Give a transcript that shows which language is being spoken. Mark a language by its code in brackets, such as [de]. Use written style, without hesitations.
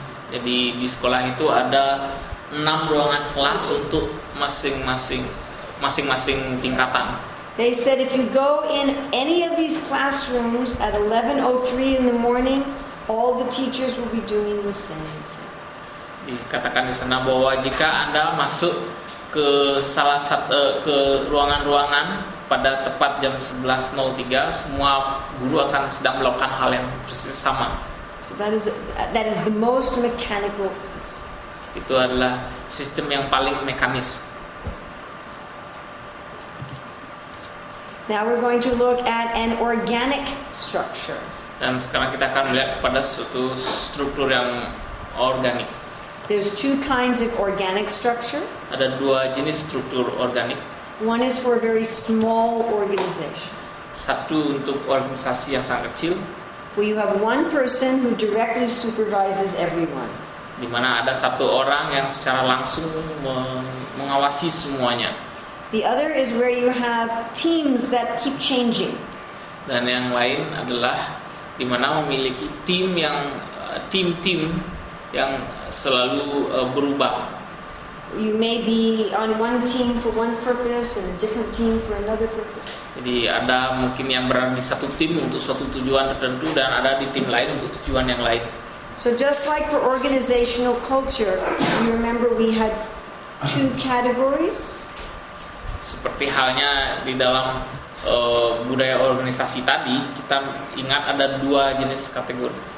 [id] Jadi di sekolah itu ada 6 ruangan kelas untuk masing-masing tingkatan. [en] They said if you go in any of these classrooms at 11:03 in the morning, all the teachers will be doing the same. [id] Dikatakan di sana bahwa jika Anda masuk ke salah satu ke ruangan-ruangan pada tepat jam 11:03, semua guru akan sedang melakukan hal yang persis sama. [en] So that is the most mechanical system. [id] Itu adalah sistem yang paling mekanis. [en] Now we're going to look at an organic structure. [id] Dan sekarang kita akan melihat pada suatu struktur yang organik. [en] There's two kinds of organic structure. [id] Ada dua jenis struktur organik. [en] One is for a very small organization. [id] Satu untuk organisasi yang sangat kecil. [en] Where you have one person who directly supervises everyone. [id] Di mana ada satu orang yang secara langsung mengawasi semuanya. [en] The other is where you have teams that keep changing. [id] Dan yang lain adalah di mana memiliki tim-tim yang selalu berubah. [en] You may be on one team for one purpose and a different team for another purpose. [id] Jadi ada mungkin yang berada di satu tim untuk suatu tujuan tertentu dan ada di tim lain untuk tujuan yang lain. [en] So just like for organizational culture, you remember we had two categories. [id] Seperti halnya di dalam budaya organisasi tadi, kita ingat ada dua jenis kategori.